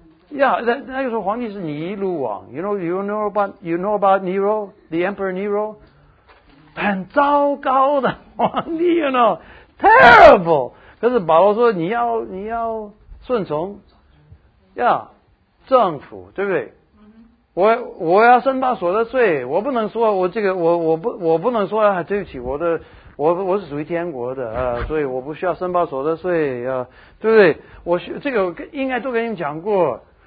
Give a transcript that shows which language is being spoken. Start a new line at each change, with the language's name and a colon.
Chinese: 那个时候皇帝是尼禄王。
English: You know about Nero, the Emperor Nero，
Chinese: 很糟糕的皇帝
English: ，you know terrible。
Chinese: 可是保罗说你要顺从，政府，对不对？我要申报所得税，我不能说我不能说、啊、对不起，我是属于天国的啊，所以我不需要申报所得税啊，对不对？我这个应该都跟你们讲过，